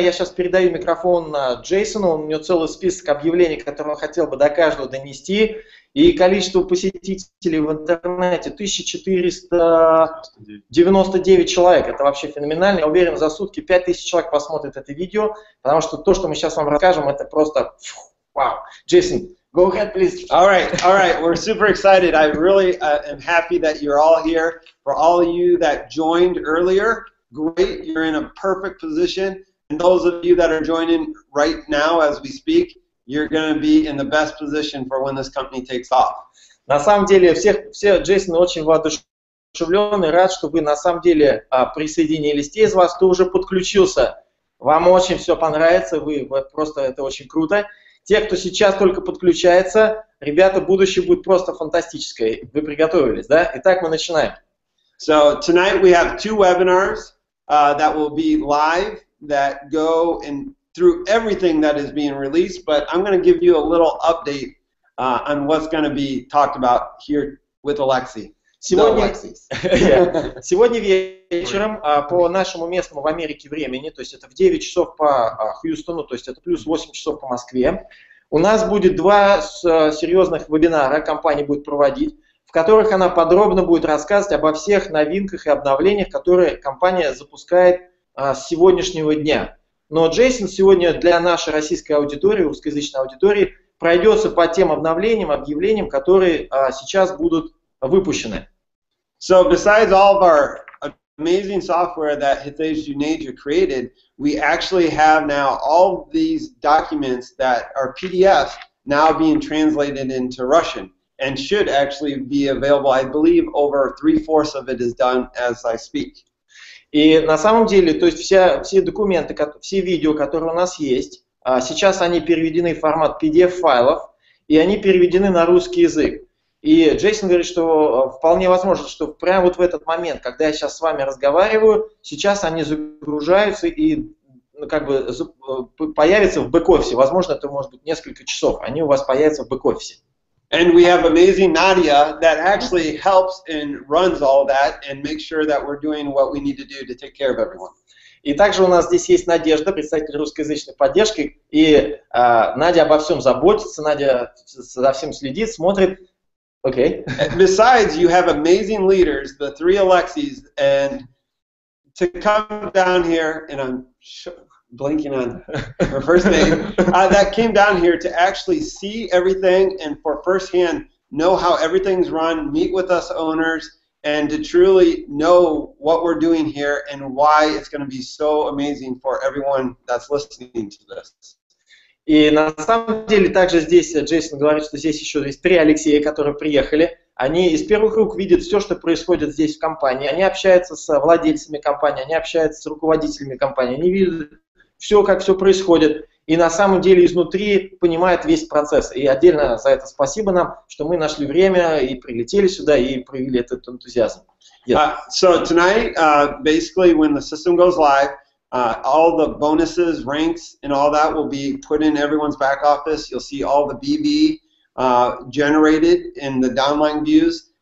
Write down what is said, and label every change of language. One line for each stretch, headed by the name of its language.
Russian: Я сейчас передаю микрофон Джейсону. У него целый список объявлений, которые он хотел бы до каждого донести. И количество посетителей в интернете 1499 человек. Это вообще феноменально. Я уверен, за сутки 5000 человек посмотрят это видео. Потому что то, что мы сейчас вам расскажем, это просто вау.
English: Джейсон, go ahead, please. All right. We're super excited. I really am happy that you're all here. For all of you that joined earlier, great, you're in a perfect position. And those of you that are joining right now as we speak, you're going to be in the best position for when this company takes off.
Russian: На самом деле, все Джейсон очень воодушевлен и рад, что вы на самом деле присоединились. Те из вас, кто уже подключился, вам очень все понравится, вы просто это очень круто. Те, кто сейчас только подключается, ребята, будущее будет просто фантастическое. Вы приготовились, да? Итак, мы начинаем.
English: So tonight we have two webinars that will be live that go in through everything that is being released, but I'm going to give you a little update on what's going to be talked about here with Alexei.
Russian: Сегодня вечером по нашему местному в Америке времени, то есть это в 9 часов по Хьюстону, то есть это плюс 8 часов по Москве, у нас будет два серьезных вебинара, компания будет проводить, в которых она подробно будет рассказывать обо всех новинках и обновлениях, которые компания запускает с сегодняшнего дня. Но Джейсон сегодня для нашей российской аудитории, русскоязычной аудитории, пройдется по тем обновлениям, объявлениям, которые сейчас будут выпущены.
English: So besides all of our amazing software that Hitesh Juneja created, we actually have now all these documents that are PDF now being translated into Russian and should actually be available. I believe over 3/4 of it is done as I speak.
Russian: И на самом деле, то есть все документы, все видео, которые у нас есть, сейчас они переведены в формат PDF-файлов, и они переведены на русский язык. И Джейсон говорит, что вполне возможно, что прямо вот в этот момент, когда я сейчас с вами разговариваю, сейчас они загружаются и как бы появятся в бэк-офисе. Возможно, это может быть несколько часов. Они у вас появятся в бэк-офисе.
English: And we have amazing Nadia that actually helps and runs all that and makes sure that we're doing what we need to do to take care of everyone.
Russian: И также у нас здесь есть Надежда, представитель русскоязычной поддержки, и Надя обо всем заботится, Надя за всем следит, смотрит.
English: Okay. Besides, you have amazing leaders, the three Alexis, and to come down here, and I'm blanking on her first name, that came down here to actually see everything and for firsthand know how everything's run, meet with us owners, and to truly know what we're doing here and why it's going to be so amazing for everyone that's listening to this.
Russian: И на самом деле также здесь Джейсон говорит, что здесь еще есть три Алексея, которые приехали. Они из первых рук видят все, что происходит здесь в компании. Они общаются с владельцами компании, они общаются с руководителями компании. Они видят все, как все происходит. И на самом деле изнутри понимают весь процесс. И отдельно за это спасибо нам, что мы нашли время и прилетели сюда и проявили этот энтузиазм.
English: Yes. So tonight, basically, when the system goes live, all the bonuses, ranks, and all that will be put in everyone's back office. You'll see all the BB generated in the downline views.